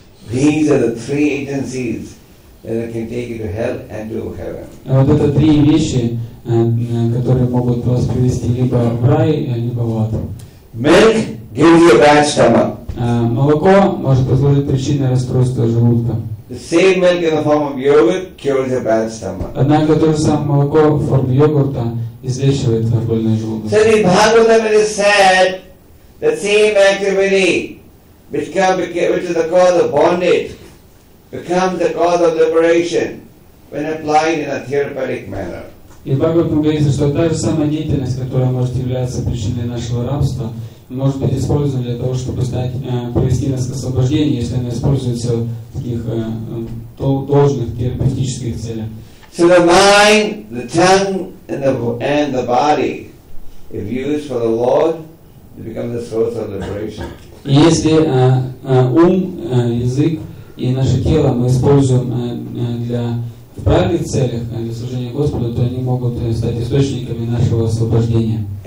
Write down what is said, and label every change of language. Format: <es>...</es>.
<en>These are the 3 agencies that can take you to hell and to heaven.</en> <ru>Вот это 3 вещи. Которые могут вас привести либо в рай, либо в ад.</ru> <en>Milk gives you a bad stomach.</en> <ru>Молоко может послужить причиной расстройства желудка.</ru> <en>The same milk in the form of yogurt cures a bad stomach.</en> <ru>Однако то же самое молоко в форме йогурта излечивает твой больной желудок.</ru> <en>So in Bhagavatam it is said the same activity which is the cause of bondage becomes the cause of liberation when applied in a therapeutic manner.</en> <ru>И в Бхагаватам говорится, что та же самая деятельность, которая может являться причиной нашего рабства, может быть использована для того, чтобы привести нас к освобождению, если она используется в таких должных терапевтических целях.</ru> <en>So the mind, the tongue, and the body, if used for the Lord, they become the source of liberation.</en> <ru>Если ум, язык и наше тело мы используем для в правильных целях для служения Господу, то они могут стать источниками нашего освобождения.</ru>